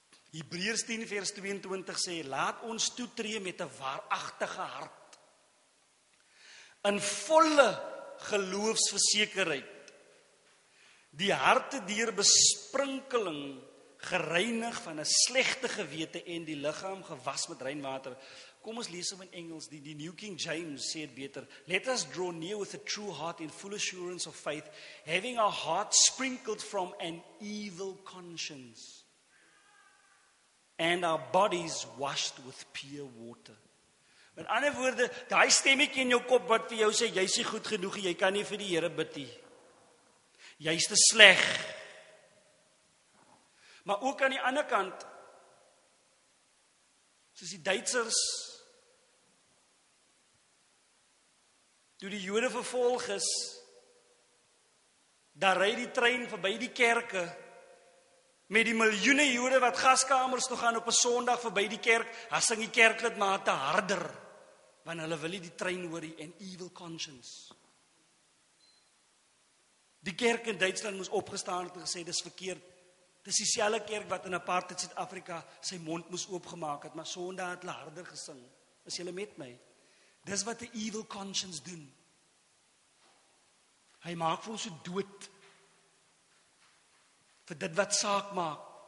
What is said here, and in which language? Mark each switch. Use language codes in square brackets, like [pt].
[af] Hebreërs 10 vers 22 sê, laat ons toetree met een waarachtige hart. In volle geloofsversekerheid. Die harte dier besprinkeling gereinig van een slechte gewete en die lichaam gewas met rein water. Kom ons lees om in Engels, die New King James sê het beter. [en] Let us draw near with a true heart and full assurance of faith, having our heart sprinkled from an evil conscience and our bodies washed with pure water. [af] In ander woorde, die stemmekie in jou kop wat vir jou sê, jy is nie goed genoeg, jy kan nie vir die Here bid nie. Jy is te sleg. Maar ook aan die ander kant, soos die Duitsers, toe die Jode vervolg is, daar ry die trein verby die kerke, met die miljoene Jode wat gaskamers toe gaan op 'n Sondag verby die kerk, as sing die kerklidmate harder, want hulle wil nie die trein hoor nie, en [en] evil conscience. [af] Die kerk in Duitsland moes opgestaan en gesê, dis verkeerd. Dis dieselfde kerk wat in apartheid Suid-Afrika sy mond moes oopgemaak het, maar Sondag het hulle harder gesing. Is julle met my? Dis wat 'n [en] evil conscience [af] doen. Hy maak vir ons so dood vir dit wat saak maak.